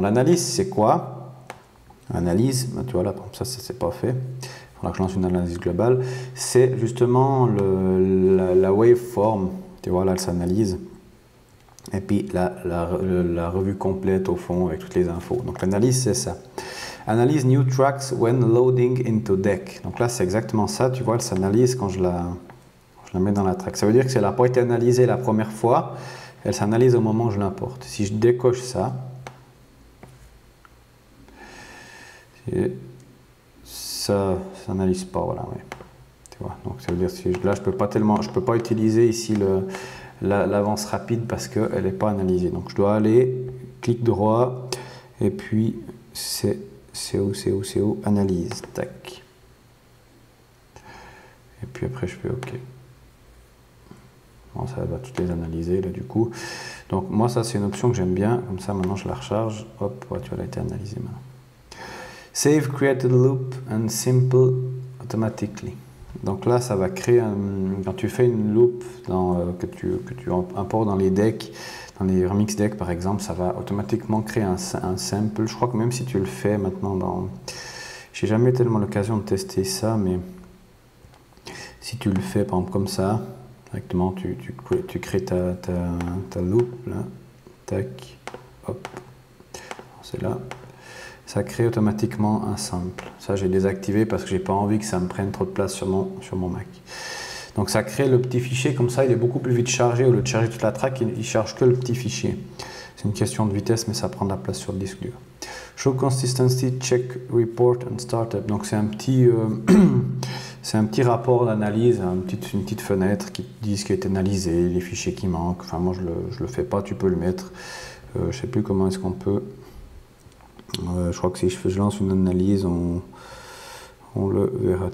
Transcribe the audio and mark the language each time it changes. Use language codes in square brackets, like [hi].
[fr] L'analyse c'est quoi? Analyse, ben tu vois là, ça c'est pas fait. Il faudra que je lance une analyse globale. C'est justement la waveform, tu vois là, elle s'analyse. Et puis la revue complète au fond avec toutes les infos. Donc l'analyse c'est ça. [en] Analyse new tracks when loading into deck. [fr] Donc là c'est exactement ça, tu vois, elle s'analyse quand je la mets dans la track. Ça veut dire que si elle n'a pas été analysée la première fois, elle s'analyse au moment où je l'importe. Si je décoche ça, et ça s'analyse pas, voilà, ouais. Tu vois, donc ça veut dire que là je peux pas utiliser ici l'avance rapide parce qu'elle n'est pas analysée. Donc je dois aller clic droit et puis c'est où analyse, tac, et puis après je fais OK. Bon, ça va toutes les analyser là du coup. Donc moi ça c'est une option que j'aime bien, comme ça maintenant je la recharge, hop, ouais, tu vois, elle a été analysée maintenant. [en] Save created loop and simple automatically. [fr] Donc là, ça va créer quand tu fais une loop que tu importes dans les decks, dans les remix decks par exemple, ça va automatiquement créer un sample. Je crois que même si tu le fais maintenant j'ai jamais tellement l'occasion de tester ça, mais si tu le fais par exemple comme ça, directement tu crées ta loop là, tac, hop. c'est là, ça crée automatiquement un sample. Ça, j'ai désactivé parce que j'ai pas envie que ça me prenne trop de place sur mon Mac. Donc ça crée le petit fichier, comme ça il est beaucoup plus vite chargé. Au lieu de charger toute la track, il charge que le petit fichier. C'est une question de vitesse, mais ça prend de la place sur le disque dur. [en] Show consistency check report and startup. [fr] Donc c'est un petit c'est un petit rapport d'analyse, une petite fenêtre qui dit ce qui est analysé, les fichiers qui manquent. Enfin, moi je le fais pas, tu peux le mettre. Je sais plus comment est-ce qu'on peut. Je crois que si je lance une analyse, on le verra.